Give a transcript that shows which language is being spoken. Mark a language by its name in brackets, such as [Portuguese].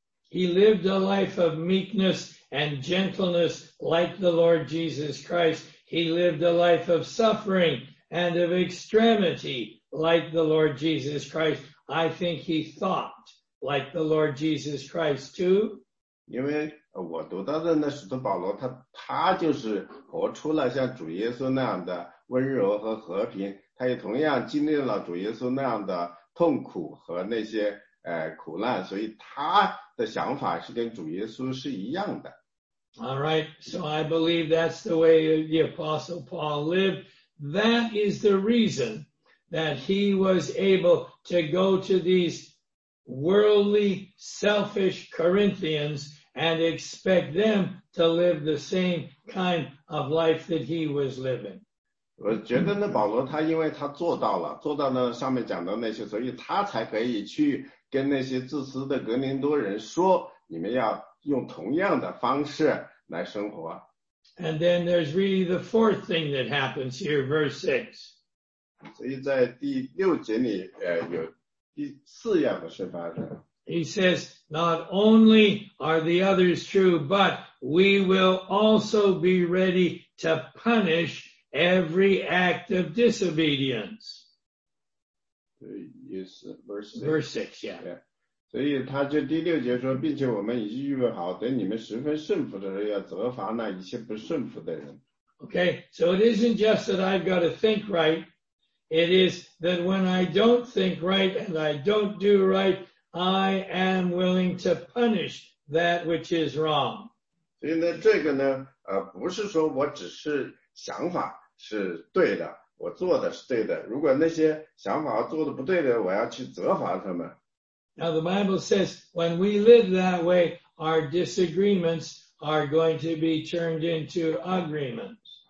[English] He lived a life of meekness and gentleness like the Lord Jesus Christ. He lived a life of suffering and of extremity like the Lord Jesus Christ. I think he thought like the Lord Jesus Christ too. [Chinese] 因为我读到的那使徒保罗他就是活出了像主耶稣那样的温柔和和平他也同样经历了主耶稣那样的痛苦和那些苦难所以他的想法是跟主耶稣是一样的。 [English] All right, so I believe that's the way the Apostle Paul lived. That is the reason that he was able to go to these worldly, selfish Corinthians and expect them to live the same kind of life that he was living. [Chinese] 我觉得呢，保罗他因为他做到了，做到了上面讲的那些，所以他才可以去跟那些自私的格林多人说，你们要用同样的方式来生活。 [English] And then there's really the fourth thing that happens here, verse 6. [Chinese] 所以在第六节里，有第四样的事发生。 [English] He says, not only are the others true, but we will also be ready to punish every act of disobedience. Verse 6. Okay, so it isn't just that I've got to think right. It is that when I don't think right and I don't do right, I am willing to punish that which is wrong. [Chinese] 所以呢，这个呢，不是说我只是想法是对的。我做的是对的，如果那些想法做的不对的，我要去责罚他们。 [English] Now the Bible says, when we live that way, our disagreements are going to be turned into agreements.